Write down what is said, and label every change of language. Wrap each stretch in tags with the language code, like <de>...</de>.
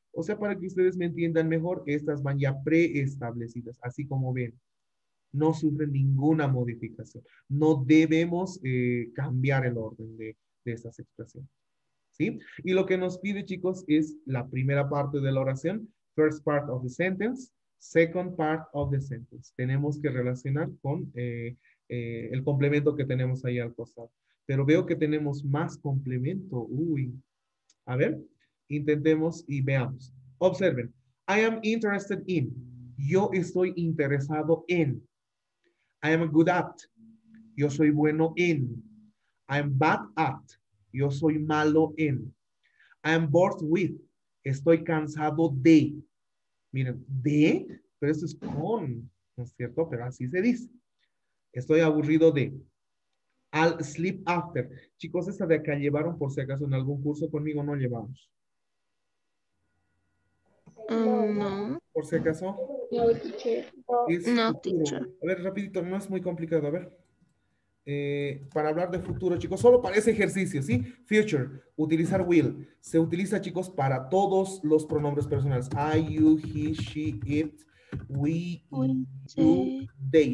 <es>O sea, para que ustedes me entiendan mejor, estas van ya preestablecidas, así como ven. No sufren ninguna modificación. No debemos cambiar el orden de estas expresiones. ¿Sí? Y lo que nos pide, chicos, es la primera parte de la oración.</es> <en>First part of the sentence, second part of the sentence.</en> <es>Tenemos que relacionar con el complemento que tenemos ahí al costado. Pero veo que tenemos más complemento. Uy. A ver, intentemos y veamos. Observen.</es> <en>I am interested in.</en> <es>Yo estoy interesado en.</es> <en>I am good at.</en> <es>Yo soy bueno en.</es> <en>I am bad at.</en> <es>Yo soy malo en.</es> <en>I am bored with.</en> <es>Estoy cansado de. Miren, de, pero esto es con. ¿No es cierto? Pero así se dice. Estoy aburrido de.</es> <en>I'll sleep after.</en> <es>Chicos, esta de acá llevaron, por si acaso, en algún curso conmigo, no llevamos. No. Por si acaso. No, teacher. A ver, rapidito, no es muy complicado, a ver. Para hablar de futuro, chicos, solo para ese ejercicio, ¿sí? Future, utilizar will. Se utiliza, chicos, para todos los pronombres personales.</es> <en>I, you, he, she, it, we, you, they.</en>